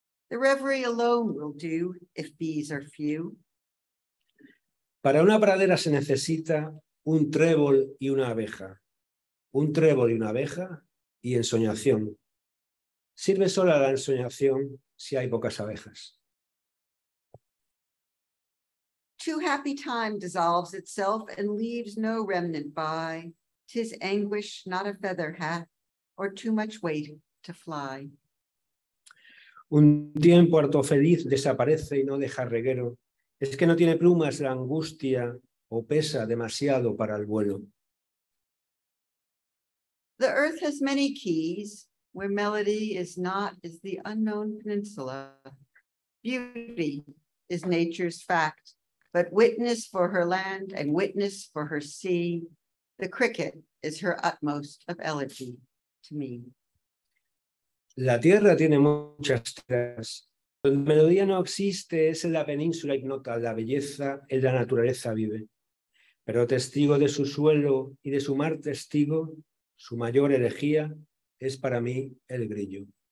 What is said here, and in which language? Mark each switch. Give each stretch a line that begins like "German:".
English: The reverie alone will do if bees are few.
Spanish: Para una pradera se necesita un trébol y una abeja. Un trébol y una abeja y ensoñación. Sirve solo a la ensoñación si hay pocas abejas.
English: Too happy time dissolves itself and leaves no remnant by. Tis anguish not a feather hath, or too much weight to fly.
Spanish: Un tiempo harto feliz desaparece y no deja reguero. Es que no tiene plumas la angustia o pesa demasiado para el vuelo.
English: The earth has many keys, where melody is not as the unknown peninsula. Beauty is nature's fact, but witness for her land and witness for her sea. The cricket is her utmost of elegy to me.
Spanish: La tierra tiene muchas tierras. La melodía no existe, es en la península ignota, la belleza en la naturaleza vive. Pero testigo de su suelo y de su mar testigo, su mayor elegía es para mí el grillo.